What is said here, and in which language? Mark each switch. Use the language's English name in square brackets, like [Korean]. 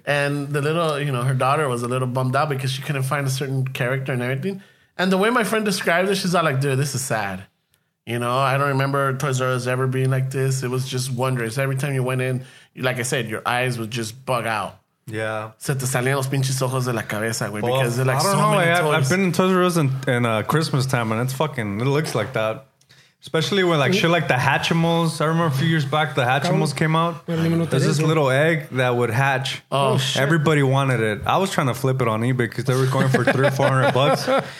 [English] And the little, her daughter was a little bummed out because she couldn't find a certain character and everything. And the way my friend described it, she's all like, dude, this is sad. I don't remember Toys R Us ever being like this. It was just wondrous. Every time you went in, like I said, your eyes would just bug out. Yeah. [Spanish] Se te salían los pinches ojos de la cabeza, güey. [English] Well, because they're like, I don't so know, many toys. I've been in Toys R Us in Christmas time, and it looks like that. Especially when, like, shit like the Hatchimals. I remember a few years back, the Hatchimals came out. There's this little egg that would hatch. Oh, shit. Everybody wanted it. I was trying to flip it on eBay because they were going for $300-$400.